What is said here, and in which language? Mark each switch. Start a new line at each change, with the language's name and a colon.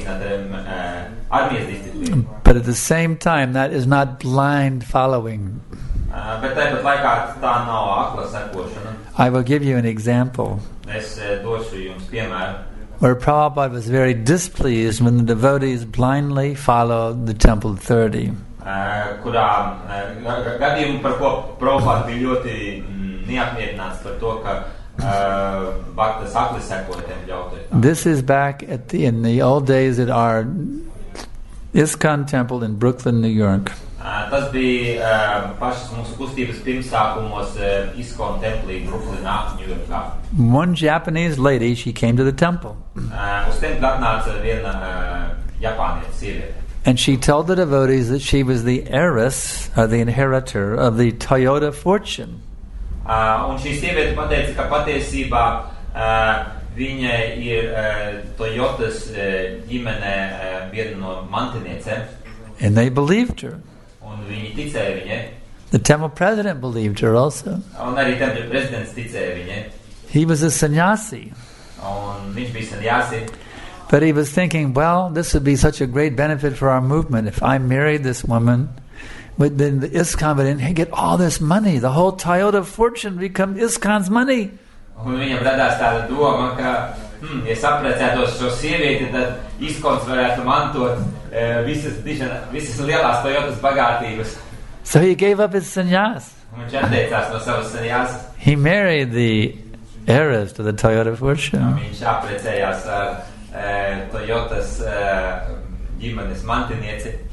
English: But at the same time, that is not blind following.
Latvian: Bet tāpat laikā tā nav akla sekošana.
English: I will give you an example.
Latvian: Es došu jums piemēru.
English: Where Prabhupada was very displeased when the devotees blindly followed the temple authority.
Latvian: Gadījumu, par ko Prabhupada bija ļoti neapmierināts par to, ka bhaktas akli sekoja tempļa autoritātei.
English: This is back at the, in the old days at our ISKCON temple in Brooklyn, New York.
Latvian: Tas bija pašas mūsu kustības pirmsākumos ISKCON templī Brooklynā, New Yorkā.
English: One Japanese lady, she came to the temple.
Latvian: Uz templi atnāca viena japāniete sieviete.
English: And she told the devotees that she was the heiress, or the inheritor, of the Toyota fortune.
Latvian: Un šī sieviete pateica, ka patiesībā viņa ir Toyotas ģimene viena no mantiniecēm.
English: And they believed her.
Latvian: Un viņi ticēja viņai.
English: The temple president believed her also.
Latvian: Un arī temple prezidents ticēja viņai.
English: He was a sannyasi.
Latvian: Un viņš bija sannyasi.
English: But he was thinking, well, this would be such a great benefit for our movement. If I married this woman, then the ISKCON would then get all this money. The whole Toyota fortune become ISKCON's money.
Latvian: Un viņam radās tāda doma, ka, ja saprecētos šo sievieti, tad ISKCON's varētu mantot visas lielās Toyotas bagātības.
English: So he gave up his sannyas.
Latvian: Viņš atteicās no savas sannyas.
English: He married the heiress to the Toyota fortune.
Latvian: Viņš aprecējās Toyotas ģimenes mantinieci.